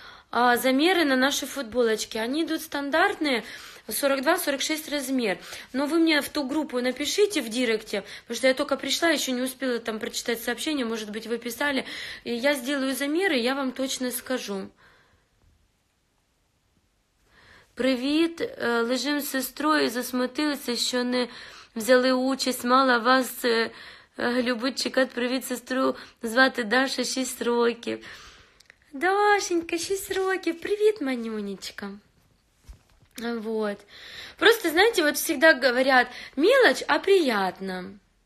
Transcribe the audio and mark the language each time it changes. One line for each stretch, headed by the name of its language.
Russian: А замеры на наши футболочки, они идут стандартные, 42-46 размер. Но вы мне в ту группу напишите в директе, потому что я только пришла, еще не успела там прочитать сообщение, может быть, вы писали. И я сделаю замеры, я вам точно скажу.
Ukrainian: Привіт, лежим з сестрою, засмутилися, що не взяли участь, мала вас любить чекати. Привіт, сестру, звати Даша, 6 років. Дашенька, 6 років, привіт, манюнечка.
Russian: Вот. Просто, знаете, вот всегда говорят, мелочь, а приятно.